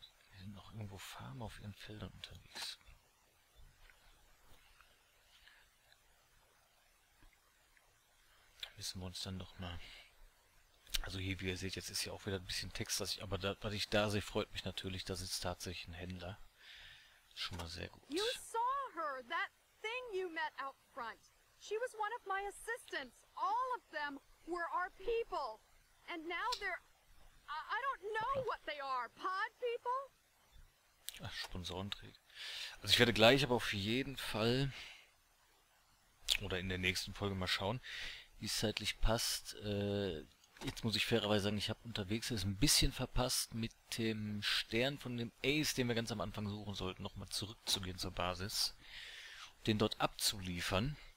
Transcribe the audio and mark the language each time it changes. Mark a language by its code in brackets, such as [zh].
[de] Hier sind noch irgendwo Farmer auf ihren Feldern unterwegs. Müssen wir uns dann doch mal. Also hier, wie ihr seht, jetzt ist hier auch wieder ein bisschen Text, dass ich. Aber da, was ich da sehe, freut mich natürlich, da sitzt tatsächlich ein Händler. Schon mal sehr gut. [en] You saw her, that thing you met out front. She was one of my assistants. All of them were our people. And now they're. I don't know what they are. Pod people? [de] Ach, Sponsorenträger. Also ich werde gleich aber auf jeden Fall. Oder in der nächsten Folge mal schauen. Wie es zeitlich passt. Jetzt muss ich fairerweise sagen, ich habe unterwegs es ein bisschen verpasst, mit dem Stern von dem Ace, den wir ganz am Anfang suchen sollten, nochmal zurückzugehen zur Basis. Den dort abzuliefern.